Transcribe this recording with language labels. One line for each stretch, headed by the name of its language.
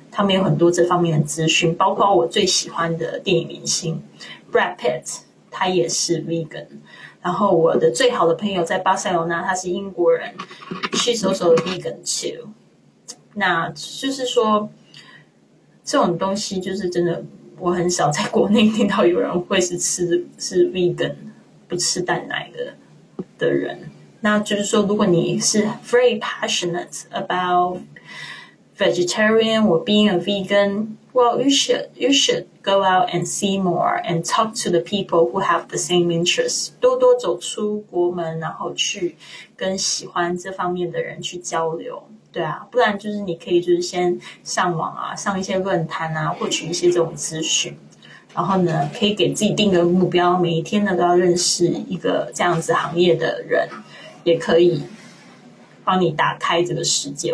Chinese: 他们有很多这方面的资讯，包括我最喜欢的电影明星 Brad Pitt，他也是 vegan。然后我的最好的朋友在巴塞罗那，他是英国人，
English: she's also vegan too。
Chinese: 那就是说，这种东西就是真的，我很少在国内听到有人会是 vegan。不吃蛋奶的人，那就是说，如果你是
English: very passionate about vegetarian or being a vegan, well, you should go out and see more and talk to the people who have the same interests.
Chinese: 多多走出国门，然后去跟喜欢这方面的人去交流。对啊，不然就是你可以就是先上网啊，上一些论坛啊，获取一些这种资讯。然后呢，可以给自己定个目标，每一天呢都要认识一个这样子行业的人，也可以帮你打开这个世界。